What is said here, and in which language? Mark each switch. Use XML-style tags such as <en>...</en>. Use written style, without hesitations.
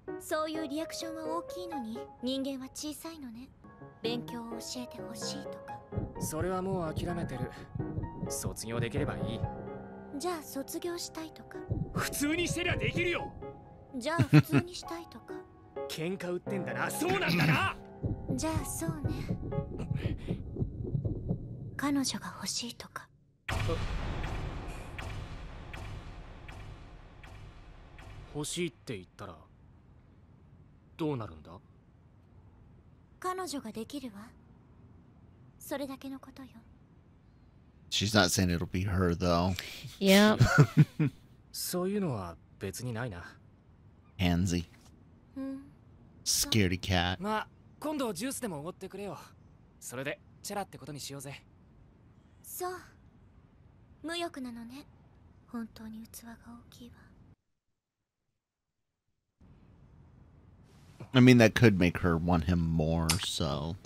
<en>So your reaction is big, but human beings are small.</en> <ja>それはもう諦めてる。卒業できればいい。じゃあ卒業したいとか。普通にしてりゃできるよ。じゃあ普通にしたいとか。喧嘩売ってんだな。そうなんだな。じゃあそうね。彼女が欲しいとか。欲しいって言ったら。どうなるんだ彼女ができるわそれだけのことよ</ja> <en>She's not saying it'll be her though Yep</en> <ja>そういうのは別にないな</ja> <en>Handsy Scaredy cat</en> <ja>まあ今度ジュースでもおごってくれよそれでチェラってことにしようぜそう無欲なのね本当に器が大きいわ</ja> <en>I mean, that could make her want him more, so...</en>